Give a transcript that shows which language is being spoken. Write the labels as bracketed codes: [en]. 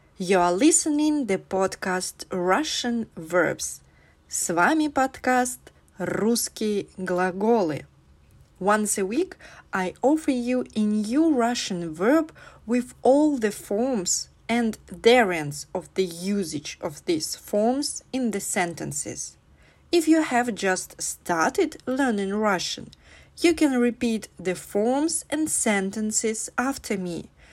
[en] You are listening to the podcast Russian Verbs. [ru] С вами подкаст «Русские глаголы». [en] Once a week, I offer you a new Russian verb with all the forms and variants of the usage of these forms in the sentences. If you have just started learning Russian, you can repeat the forms and sentences after me.